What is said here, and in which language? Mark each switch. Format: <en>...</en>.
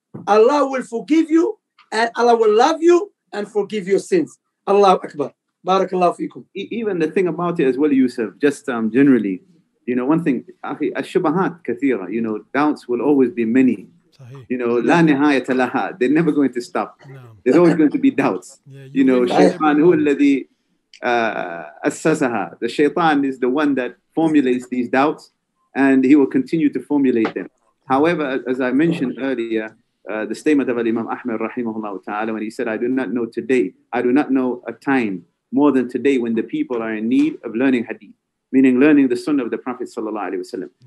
<en>Allah will forgive you and Allah will love you and forgive your sins.</en> <ar>Allahu Akbar. Barakallahu feekum.</ar> <en>Even the thing about it as well, Yusuf, just generally, you know, one thing,</en> <ar>الشبهات كثيرة,</ar> <en>you know, doubts will always be many. You know,</en> <ar>لا نهاية لها.</ar> <en>They're never going to stop. No. There's always going to be doubts. Yeah, you know,</en> <ar>الشيطان هو الذي أسسها.</ar> <en>The shaitan is the one that formulates these doubts and he will continue to formulate them. However, as I mentioned earlier, the statement of Imam Ahmed rahimahullah ta'ala, when he said, I do not know a time more than today when the people are in need of learning hadith, meaning learning the sunnah of the Prophet sallallahu alaihi wasallam.</en>